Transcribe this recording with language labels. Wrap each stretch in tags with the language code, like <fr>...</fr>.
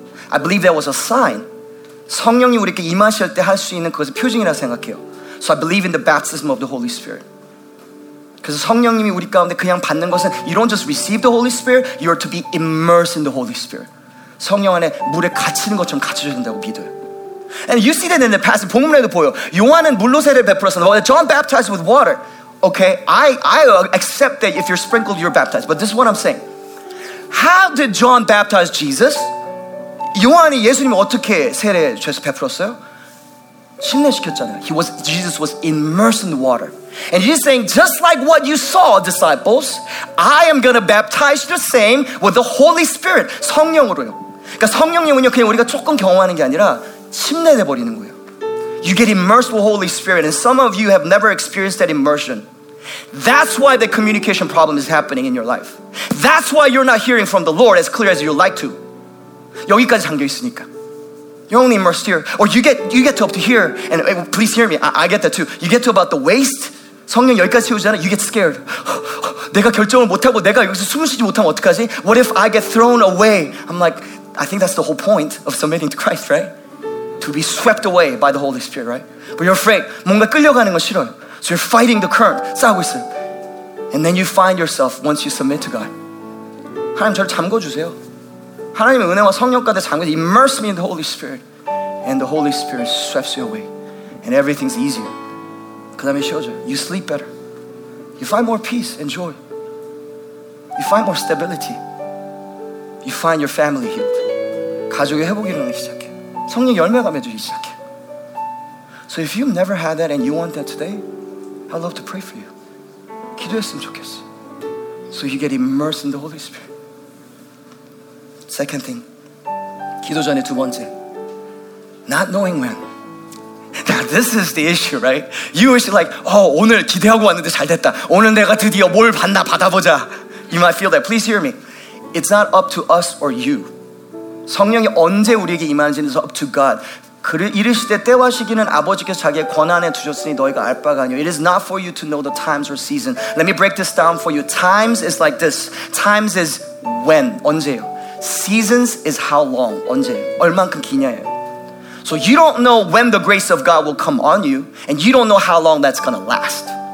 <en>I believe that was a sign.</en> <ko>성령이 우리에게 임하실 때 할 수 있는 그것을 표징이라고 생각해요.</ko> <en>So I believe in the baptism of the Holy Spirit.</en> <ko>그래서 성령님이 우리 가운데 그냥 받는 것은</ko> <en>you don't just receive the Holy Spirit, you are to be immersed in the Holy Spirit.</en> <ko>성령 안에 물에 갇히는 것처럼 갇혀진다고 믿어요.</ko> <en>And you see that in the passage,</en> <ko>본문에도 보여. 요한은 물로 세례를 베풀었습니다.</ko> <en>John baptized with water. Okay, I accept that if you're sprinkled, you're baptized. But this is what I'm saying. How did John baptize Jesus?</en> <ko>요한이 예수님을 어떻게 세례에 죄를 베풀었어요? 침례시켰잖아요.</ko> <en>Jesus was immersed in the water. And he's saying, just like what you saw, disciples, I am going to baptize you the same with the Holy Spirit, 성령으로요.</en> <ko>그러니까 성령님은요 그냥 우리가 조금 경험하는 게 아니라 침례돼 버리는 거예요.</ko> <en>You get immersed with Holy Spirit, and some of you have never experienced that immersion. That's why the communication problem is happening in your life. That's why you're not hearing from the Lord as clear as you'd like to.</en> <ko>여기까지 잠겨 있으니까.</ko> <en>You're only immersed here. Or you get to up to here, and please hear me, I get that too. You get to about the waist,</en> <ko>성령 여기까지 채우잖아,</ko> <en>you get scared.</en> <ko>내가 결정을 못하고 내가 여기서 숨을 쉬지 못하면 어떡하지?</ko> <en>What if I get thrown away? I'm like, I think that's the whole point of submitting to Christ, right? To be swept away by the Holy Spirit, right? But you're afraid.</en> <ko>뭔가 끌려가는 건 싫어요.</ko> <en>So you're fighting the current,</en> <ko>싸우고 있어요.</ko> <en>And then you find yourself, once you submit to God,</en> <ko>하나님 저를 잠궈주세요. 하나님의 은혜와 성령 가운데 잠겨</ko> <en>immerse me in the Holy Spirit, and the Holy Spirit sweeps you away, and everything's easier.</en> <ko>그 다음에 쉬어져요.</ko> <en>You sleep better. You find more peace and joy. You find more stability. You find your family healed.</en> <ko>가족이 회복이 일어나기 시작해. 성령 열매가 맺어지기 시작해.</ko> <en>So if you've never had that and you want that today, I'd love to pray for you.</en> <ko>기도했으면 좋겠어.</ko> <en>So you get immersed in the Holy Spirit. Second thing,</en> <ko>기도 전에 두 번째,</ko> <en>not knowing when. Now this is the issue, right? You wish like, oh,</en> <ko>오늘 기대하고 왔는데 잘 됐다. 오늘 내가 드디어 뭘 받나 받아보자.</ko> <en>You might feel that. Please hear me. It's not up to us or you.</en> <ko>성령이 언제 우리에게 임하는지는</ko> <en>up to God.</en> <ko>그를 이르실 때 때와 시기는 아버지께서 자기의 권한에 두셨으니 너희가 알 바가 아니요.</ko> <en>It is not for you to know the times or season. Let me break this down for you. Times is like this. Times is when, 언제요. Seasons is how long,</en> <ko>언제, 얼만큼 기냐예요.</ko> <en>So you don't know when the grace of God will come on you, and you don't know how long that's going to last.</en>